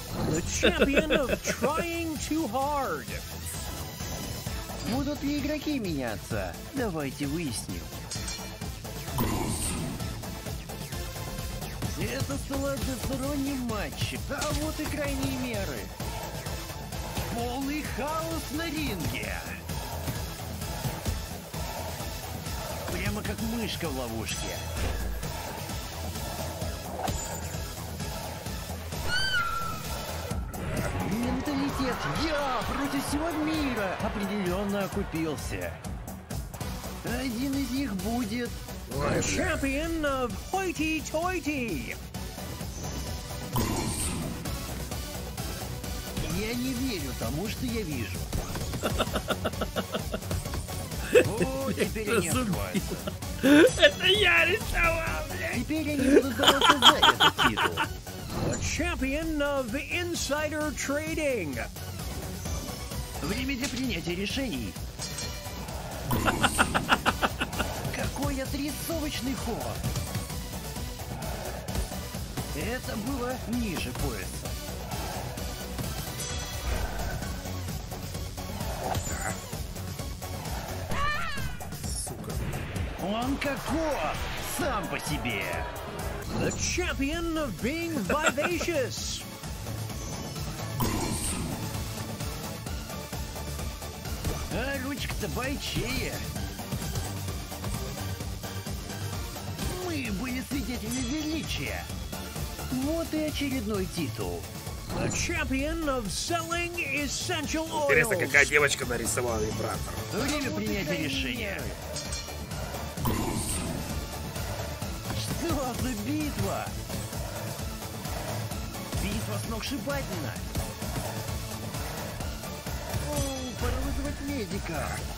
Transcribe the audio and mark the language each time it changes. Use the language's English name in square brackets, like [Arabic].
[English] The champion of trying too hard. [Russian] Будут ли игроки меняться? Давайте выясним. Это стало односторонним матчем. А вот и крайние меры. Полный хаос на ринге. Прямо как мышка в ловушке. Менталитет «Я против всего мира» определенно окупился. Один из них будет... [English] The champion of hoity-toity! [Russian] Я не верю тому, что я вижу. О, теперь они открываются. Это я рисовал, блядь! Теперь они будут бороться за этот титул. [English] The champion of insider trading. [Russian] Время для принятия решений. Какой отрисовочный ход. Это было ниже пояса. Он каков сам по себе. [English] The champion of being vivacious. [Russian] А ручка-то бойчея. Мы были свидетелями величия. Вот и очередной титул. [English] The champion of selling essential oils. [Russian] Интересно, какая девочка нарисовала император. Время принятия решения. Это битва! Битва сногсшибательна! О, пора вызвать медика!